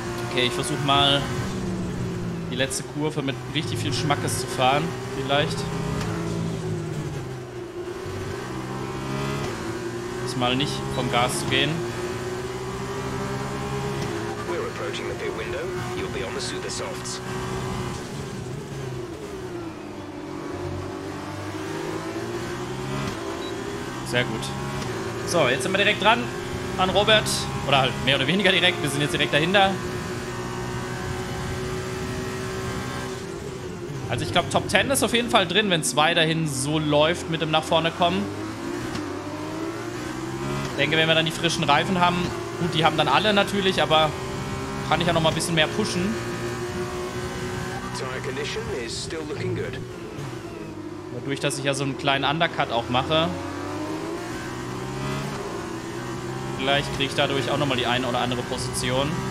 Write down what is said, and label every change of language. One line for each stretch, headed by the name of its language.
German: Okay, ich versuche mal die letzte Kurve mit richtig viel Schmackes zu fahren, vielleicht. Mal nicht vom Gas zu gehen.
English: We're approaching the pit window. You'll be on the super softs.
German: Sehr gut. So, jetzt sind wir direkt dran an Robert. Oder halt mehr oder weniger direkt. Wir sind jetzt direkt dahinter. Also ich glaube, Top 10 ist auf jeden Fall drin, wenn es weiterhin so läuft mit dem nach vorne kommen. Ich denke, wenn wir dann die frischen Reifen haben, gut, die haben dann alle natürlich, aber kann ich ja noch mal ein bisschen mehr pushen.
English: Tire condition is still looking good.
German: Dadurch, dass ich ja so einen kleinen Undercut auch mache. Vielleicht kriege ich dadurch auch noch mal die eine oder andere Position.